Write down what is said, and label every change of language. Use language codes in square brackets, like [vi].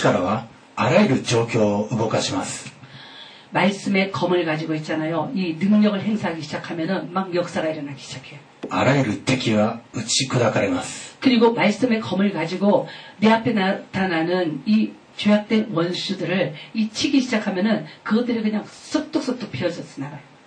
[ja] 確かにこの御言葉の力はあらゆる状況を動かします。 [ko] 말씀의 검을 가지고 있잖아요. 이 능력을 행사하기 시작하면은 막 역사가 일어나기 시작해요. [ja] あらゆる敵は打ち砕かれます。 [ko] 그리고 말씀의 검을 가지고 내 앞에 나타나는 이 죄악된 원수들을 이 치기 시작하면은 그것들이 그냥 쑥뚝쑥뚝 피어졌으나 봐요.